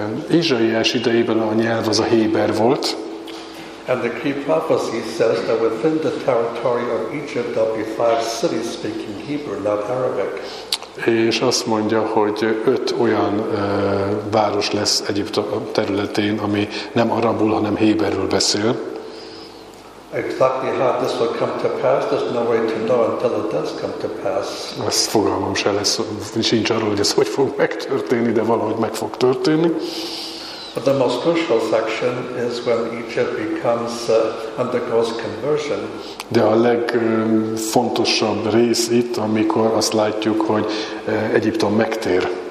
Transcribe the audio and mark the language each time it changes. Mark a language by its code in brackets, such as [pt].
[hu] Ézsaiás idejében a nyelv az a héber volt. [en] And the key prophecy says that within the territory of Egypt there'll be five cities speaking Hebrew, not Arabic. [hu] És azt mondja, hogy öt olyan város lesz Egyiptom területén, ami nem arabul, hanem héberül beszél. [en] Exactly how this will come to pass, there's no way to know until it does come to pass. [hu] Ezt fogalmam sem lesz, sincs arról, hogy ez hogy fog megtörténni, de valahogy meg fog történni. [en] But the most crucial section is when Egypt becomes undergoes conversion. [hu] De a legfontosabb rész itt, amikor azt látjuk, hogy Egyiptom megtér.